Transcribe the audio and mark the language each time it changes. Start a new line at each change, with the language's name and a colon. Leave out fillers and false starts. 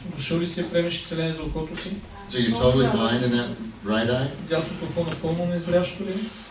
Bulgarian: Дошъл ли си приемеш исцеление за окото си?
English: So you're totally blind in that right eye?
Bulgarian: Дясното око напълно незрящо ли?